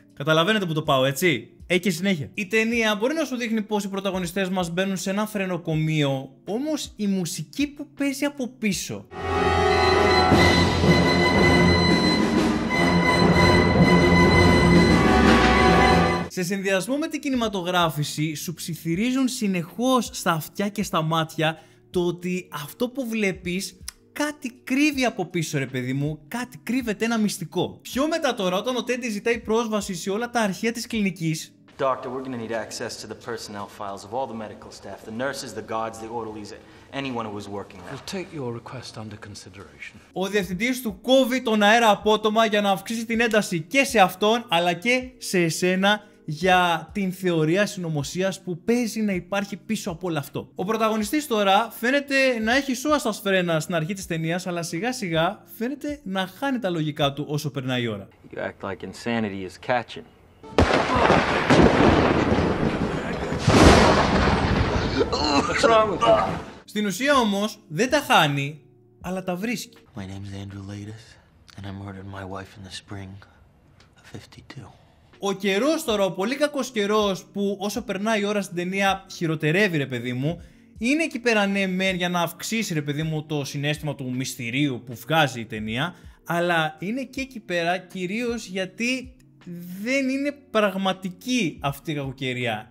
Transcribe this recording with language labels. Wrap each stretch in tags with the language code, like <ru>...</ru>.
<el>Καταλαβαίνετε που το πάω, έτσι? Έχει συνέχεια. Η ταινία μπορεί να σου δείχνει πως οι πρωταγωνιστές μας μπαίνουν σε ένα φρενοκομείο, όμως η μουσική που παίζει από πίσω σε συνδυασμό με την κινηματογράφηση σου ψιθυρίζουν συνεχώς στα αυτιά και στα μάτια το ότι αυτό που βλέπεις, κάτι κρύβει από πίσω, ρε παιδί μου, κάτι κρύβεται, ένα μυστικό. Πιο μετά τώρα, όταν ο Teddy ζητάει πρόσβαση σε όλα τα αρχεία της κλινικής.</el> <en>Doctor, we're gonna need access to the personnel files of all the medical staff, the nurses, the guards, the orderlies, anyone who was working there. We'll take your request under consideration.</en> <el>Ο διευθυντής του κόβει τον αέρα απότομα για να αυξήσει την ένταση και σε αυτόν, αλλά και σε εσένα, για την θεωρία συνωμοσίας που παίζει να υπάρχει πίσω από όλο αυτό. Ο πρωταγωνιστής τώρα φαίνεται να έχει σώα στα σφρένα στην αρχή της ταινίας, αλλά σιγά σιγά φαίνεται να χάνει τα λογικά του όσο περνάει η ώρα.</el> <en>You act like insanity is catching. What's wrong with that?</en> <el>Στην ουσία όμως δεν τα χάνει, αλλά τα βρίσκει.</el> <en>My name's Andrew Latus and I murdered my wife in the spring of 52.</en> <el>Ο καιρός τώρα, ο πολύ κακός καιρός που όσο περνάει η ώρα στην ταινία χειροτερεύει, ρε παιδί μου, είναι εκεί πέρα, ναι μεν, για να αυξήσει, ρε παιδί μου, το συνέστημα του μυστηρίου που βγάζει η ταινία, αλλά είναι και εκεί πέρα κυρίως γιατί δεν είναι πραγματική αυτή η κακοκαιρία.</el>